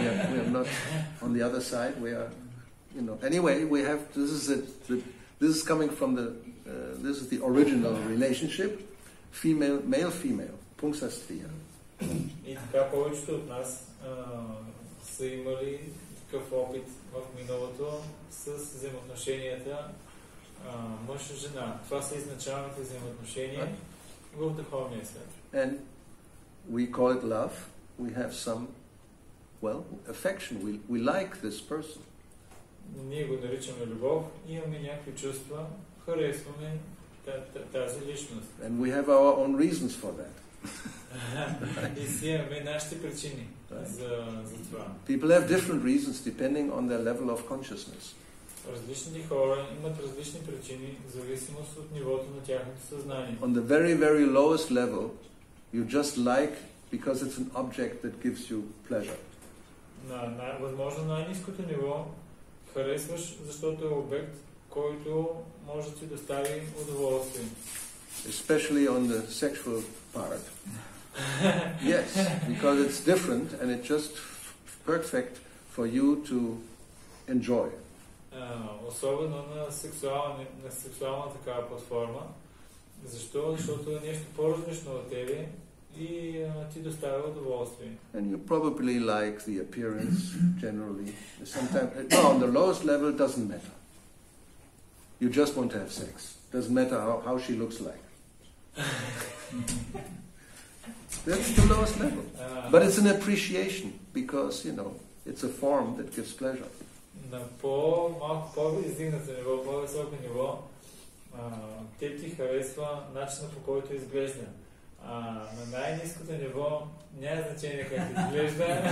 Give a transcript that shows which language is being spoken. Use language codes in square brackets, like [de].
[en] we are not on the other side, we are, you know, anyway, we have, this is the this is coming from the this is the original relationship, female male female punksastriya. [bg] И така повечето от нас са имали такъв опит в миналото с взаимоотношенията мъж и жена. Това са изначалните взаимоотношения в духовния свят. [en] And we call it love. We have some well affection. We like this person. [bg] Ние го наричаме любов, имаме някакви чувства, харесваме тази личност. [en] And we have our own reasons for that. [bg] И си имаме нашите причини за това. [en] People have different reasons depending on their level of consciousness. [bg] Различни хора имат различни причини в зависимост от нивото на тяхното съзнание. [en] On the very, very lowest level, you just like because it's an object that gives you pleasure. [bg] На възможно най-низкото ниво, харесваш, защото е обект, който може да ти достави удоволствие. [en] Especially on the sexual part. Yes, because it's different and it's just perfect for you to enjoy. [bg] Особено на сексуалната такава платформа. Защо? Защото е нещо по-различно от тебе и ти доставя удоволствие. [en] And you probably like the appearance generally. Sometimes, no, on the lowest level it doesn't matter. You just want to have sex. Doesn't matter how she looks like. That's the lowest level. But it's an appreciation because, you know, it's a form that gives pleasure. [bg] На по-малко, по-издигнато ниво, по-високо ниво, теб ти харесва начинът по който изглежда. На най-низкото ниво няма значение как изглежда,